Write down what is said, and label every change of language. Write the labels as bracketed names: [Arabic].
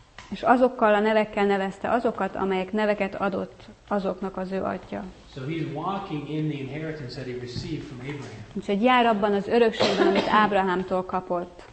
[Hungarian] És azokkal a nevekkel nevezte azokat, amelyek neveket adott azoknak az ő atya. [English] So he's walking in the inheritance that he received from Abraham. [Hungarian] Úgyhogy jár abban az örökségben, amit Ábrahámtól kapott.